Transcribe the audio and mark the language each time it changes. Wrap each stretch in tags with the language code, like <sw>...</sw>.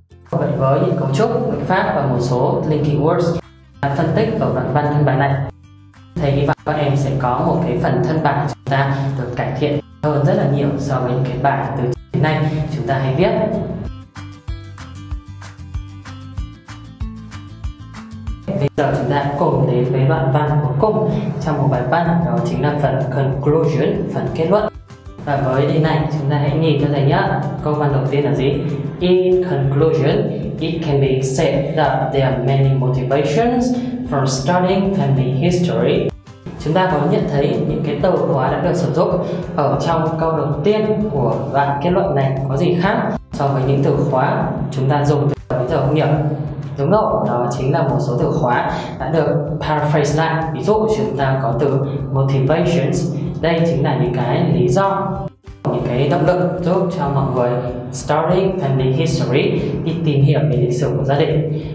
<vi>Vậy với những cấu trúc, ngữ pháp và một số linking words đã phân tích ở đoạn văn thân bản này, thầy hy vọng các em sẽ có một cái phần thân bản chúng ta được cải thiện hơn rất là nhiều so với những cái bài từ trước đến nay chúng ta hay viết. Bây giờ chúng ta cùng đến với đoạn văn cuối cùng trong một bài văn, đó chính là phần conclusion, phần kết luận. Và với đề này chúng ta hãy nhìn cho thầy nhé. Câu văn đầu tiên là gì?</vi> <en>In conclusion, it can be said that there are many motivations for studying family history.</en> <vi>Chúng ta có nhận thấy những cái từ khóa đã được sử dụng ở trong câu đầu tiên của đoạn kết luận này có gì khác so với những từ khóa chúng ta dùng từ đầu giờ không nhỉ? Đúng rồi, đó chính là một số từ khóa đã được paraphrase lại. Ví dụ chúng ta có từ motivations, đây chính là những cái lý do, những cái động lực giúp cho mọi người</vi> <en>studying family history,</en> <vi>đi tìm hiểu về lịch sử của gia đình.</vi>